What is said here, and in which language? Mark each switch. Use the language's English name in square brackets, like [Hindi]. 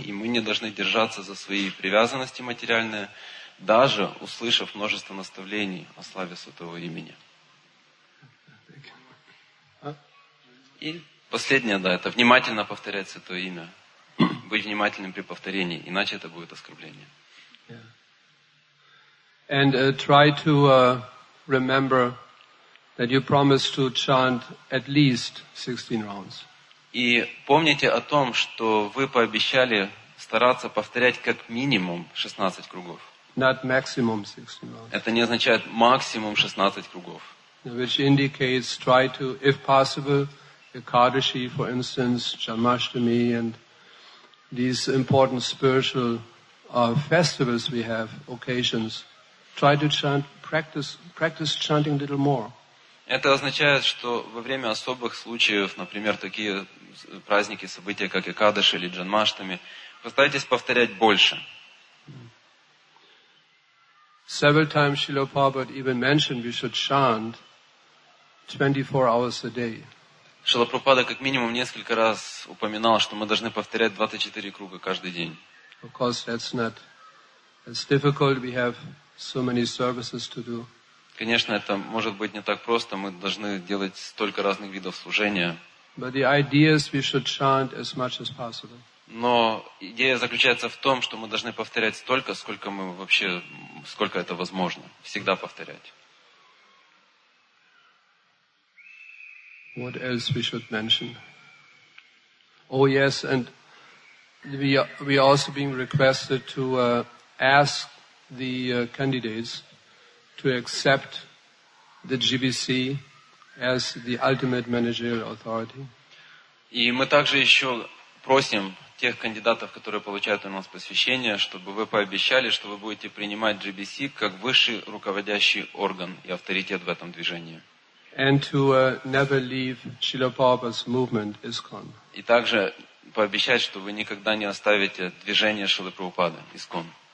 [Russian] И мы не должны держаться за свои привязанности материальные, даже услышав множество наставлений о славе святого имени. И последнее, да, это внимательно повторять святое имя. Быть внимательным при повторении, иначе это будет оскорбление. [English] And try to remember that you promised to chant at least 16 rounds. [Russian] И помните о том, что вы пообещали стараться повторять как минимум 16 кругов. [English] Not maximum 16 rounds. [Russian] Это не означает максимум 16 кругов. [English] Which indicates try to, if possible, Экадаши, for instance, Джанмаштами and these important spiritual festivals we have, occasions. Try to chant, practice chanting a little more. [Russian] Это означает, что во время особых случаев, например, такие праздники, события, как Экадаши или Джанмаштами, постарайтесь повторять больше. [English] Several times Srila Prabhupada even mentioned we should chant 24 hours a day. [Russian] Шрила Прабхупада как минимум несколько раз упоминал, что мы должны повторять 24 круга каждый день. [English] Of course, that's not as difficult. We have so many services to do. [Russian] Конечно, это может быть не так просто. Мы должны делать столько разных видов служения. [English] But the idea is we should chant as much as possible. [Russian] Но идея заключается в том, что мы должны повторять столько, сколько мы вообще, сколько это возможно. Всегда повторять. [English] What else we should mention? Oh yes, and we are also being requested to ask the candidates to accept the GBC as the ultimate managerial authority. [Russian] И мы также еще просим тех кандидатов, которые получают у нас посвящение, чтобы вы пообещали, что вы будете принимать GBC как высший руководящий орган и авторитет в этом движении. [English] And to never leave Srila Prabhupada's movement ISKCON. [Russian] И также пообещать, что вы никогда не оставите движение Шрилы Прабхупады ISKCON.